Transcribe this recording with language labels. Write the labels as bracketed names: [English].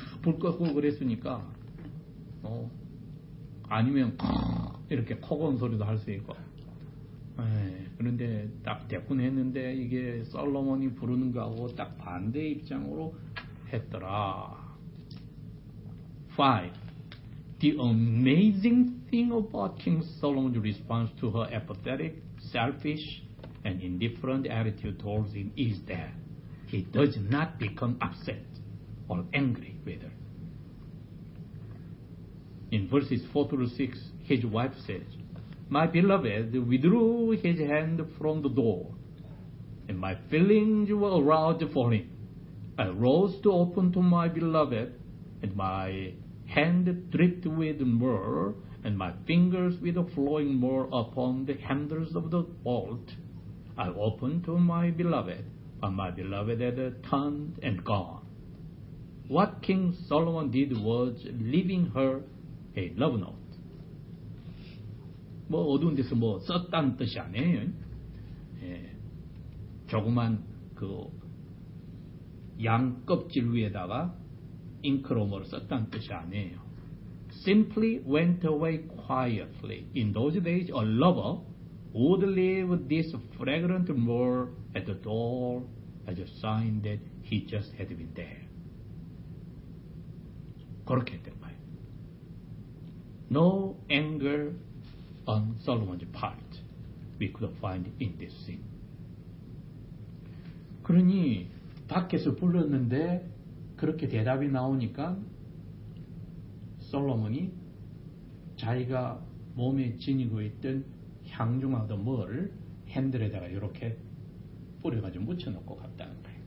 [Korean] 불 꺼고 그랬으니까. 아니면, 이렇게 코 건 소리도 할 수 있고. 그런데 딱 대꾼했는데 이게 솔로몬이 부르는 거하고 딱 반대 입장으로 했더라. 5. [English] The amazing thing about King Solomon's response to her apathetic, selfish, and indifferent attitude towards him is that he does not become upset or angry with her. In verses 4 through 6, his wife says, My beloved withdrew his hand from the door, and my feelings were aroused for him. I rose to open to my beloved, and my hand dripped with myrrh, and my fingers with flowing myrrh upon the handles of the vault. I opened to my beloved, but my beloved had turned and gone. What King Solomon did was leaving her a love note. [Korean] 뭐 어두운 데서 뭐 썼다는 뜻이 아니에요. 예, 조그만 그 양 껍질 위에다가 잉크로머를 썼다는 뜻이 아니에요. [English] Simply went away quietly. In those days, a lover would leave this fragrant myrrh at the door as a sign that he just had been there. [Korean] 그렇게 했던 거예요. [English] No anger on Solomon's part we could find in this scene. [Korean] 그러니 밖에서 불렀는데 그렇게 대답이 나오니까 솔로몬이 자기가 몸에 지니고 있던 향중하던 뭐를 핸들에다가 이렇게 뿌려가지고 묻혀놓고 갔다는 거예요.